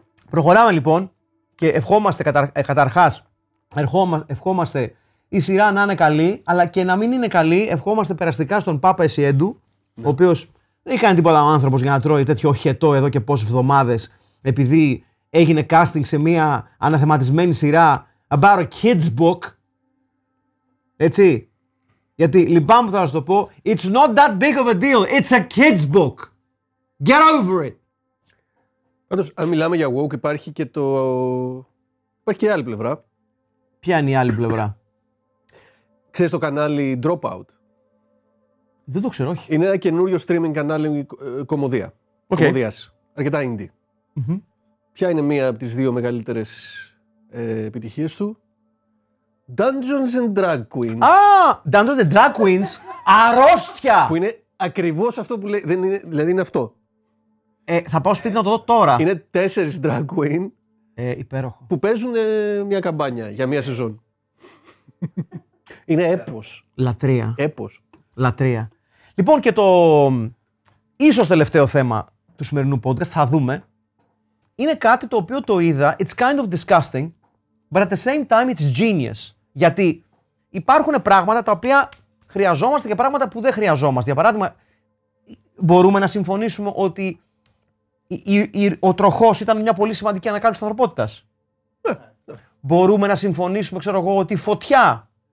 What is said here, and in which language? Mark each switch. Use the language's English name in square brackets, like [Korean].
[Greek] Προχωράμε λοιπόν και ευχόμαστε καταρχάς. Ευχόμαστε η σειρά να είναι καλή, αλλά και να μην είναι καλή, ευχόμαστε περαστικά στον Πάπα Εσιέντου, ναι, ο οποίος δεν έχει κάνει τίποτα ο άνθρωπος για να τρώει τέτοιο χετό εδώ και πόσες εβδομάδες, επειδή έγινε casting σε μια αναθεματισμένη σειρά [English] about a kids book. [Greek] Έτσι. Γιατί λυπάμαι που θα σας το πω, [English] it's not that big of a deal, it's a kids book. Get over it. [Greek] Πάντως, αν μιλάμε για woke, υπάρχει και το. Υπάρχει και η άλλη πλευρά. Ποια είναι η άλλη πλευρά? Ξέρεις το κανάλι Dropout? Δεν το ξέρω, όχι. Είναι ένα καινούριο streaming κανάλι κομμωδία. Okay. Κομμωδίας. Αρκετά indie. Mm-hmm. Ποια είναι μία από τις δύο μεγαλύτερες επιτυχίες του? Dungeons and Drag Queens. Α! Ah, Dungeons and Drag Queens! Αρρώστια! Που είναι ακριβώς αυτό που λέει. Δεν είναι, δηλαδή είναι αυτό. Θα πάω σπίτι να το δω τώρα. Είναι τέσσερις drag queen. Υπέροχο. Που παίζουν μια καμπάνια για μια σεζόν. Είναι έπος. Λατρεία. Έπος. Λατρεία. Λοιπόν, και το ίσως τελευταίο θέμα του σημερινού podcast, θα δούμε. Είναι κάτι το οποίο το είδα. [English] It's kind of disgusting, but at the same time it's genius. [Greek] Γιατί υπάρχουν πράγματα τα οποία χρειαζόμαστε και πράγματα που δεν χρειαζόμαστε. Για παράδειγμα, μπορούμε να συμφωνήσουμε ότι ο τροχός ήταν μια πολύ σημαντική ανακάλυψη της ανθρωπότητας. Ναι. Μπορούμε να συμφωνήσουμε, ξέρω εγώ, ότι η φωτιά.